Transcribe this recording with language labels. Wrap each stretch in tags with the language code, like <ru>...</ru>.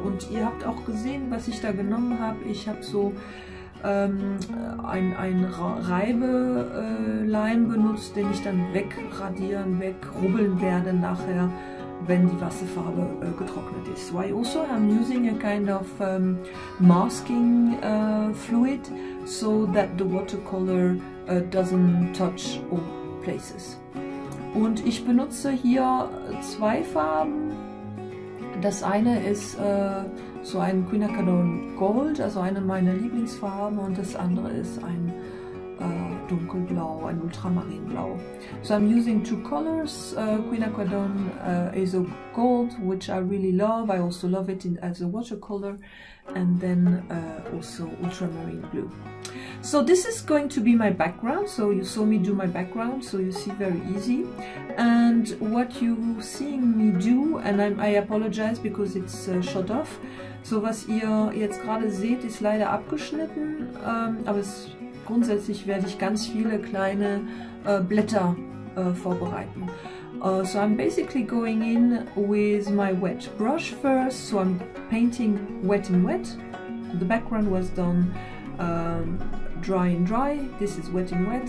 <de>Und ihr habt auch gesehen, was ich da genommen habe. Ich habe so ein Reibeleim benutzt, den ich dann wegradieren, wegrubbeln werde nachher, wenn die Wasserfarbe getrocknet ist.</de> <en>So I also am using a kind of masking fluid, so that the watercolor doesn't touch all places.</en> <de>Und ich benutze hier zwei Farben. Das eine ist so ein Quinacridone Gold, also eine meiner Lieblingsfarben, und das andere ist ein Dunkelblau, ein Ultramarinblau.</de> <en>So I'm using two colors. Quinacridone is a gold, which I really love. I also love it as a watercolor. And then also ultramarine blue. So this is going to be my background. So you saw me do my background, so you see very easy. And what you seeing me do, and I apologize because it's shut off.</en> <de>So was ihr jetzt gerade seht, ist leider abgeschnitten, aber es grundsätzlich werde ich ganz viele kleine Blätter vorbereiten.</de> <en>So I'm basically going in with my wet brush first. So I'm painting wet and wet. The background was done dry and dry. This is wet and wet.</en>